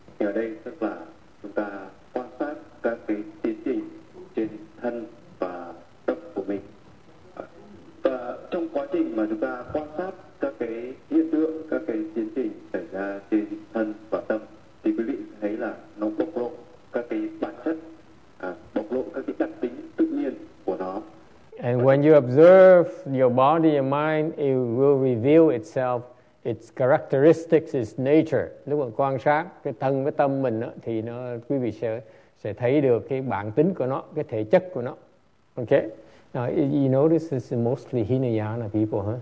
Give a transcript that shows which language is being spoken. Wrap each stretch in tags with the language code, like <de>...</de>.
<vi>Thì ở đây tức là chúng ta quan sát các cái tiến trình trên thân và tâm của mình. Và trong quá trình mà chúng ta quan sát các cái hiện tượng, các cái tiến trình xảy ra trên thân và tâm, thì quý vị thấy là nó bộc lộ các cái bản chất, bộc lộ các cái đặc tính tự nhiên của nó.</vi> <en>And when you observe your body and mind, it will reveal itself, its characteristics, its nature.</en> <vi>Lúc mà quan sát cái thân với tâm mình đó, thì nó quý vị sẽ thấy được cái bản tính của nó, cái thể chất của nó.</vi> <en>Okay? Now, you notice this is mostly Hinayana people, huh?</en>